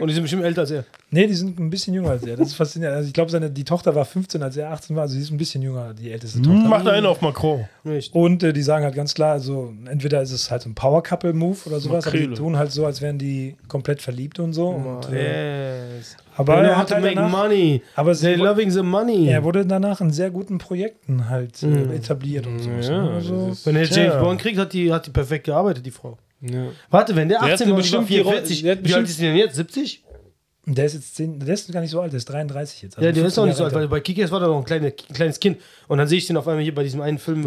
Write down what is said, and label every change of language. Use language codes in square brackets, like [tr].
[de] Und die sind bestimmt älter als er. Nee, die sind ein bisschen jünger als er. Das ist faszinierend. Also ich glaube, die Tochter war 15, als er 18 war. Also sie ist ein bisschen jünger, die älteste Tochter. Macht einen auf Macron. Richtig. Und die sagen halt ganz klar, also entweder ist es halt ein Power-Couple-Move oder sowas. Aber die tun halt so, als wären die komplett verliebt und so. Aber [en] they know how to make money. [de] Aber [en] they're loving the money. [de] Er wurde danach in sehr guten Projekten halt etabliert und so. Ja, so. Wenn er James Bond kriegt, hat die perfekt gearbeitet, die Frau. Ja. Warte, wenn der 18 ist, bestimmt 44, wie alt ist die denn jetzt? 70? Der ist jetzt 10, der ist gar nicht so alt, der ist 33 jetzt. Also ja, der ist auch nicht so alt, weil bei Kick-Ass war da noch ein kleines Kind. Und dann sehe ich den auf einmal hier bei diesem einen Film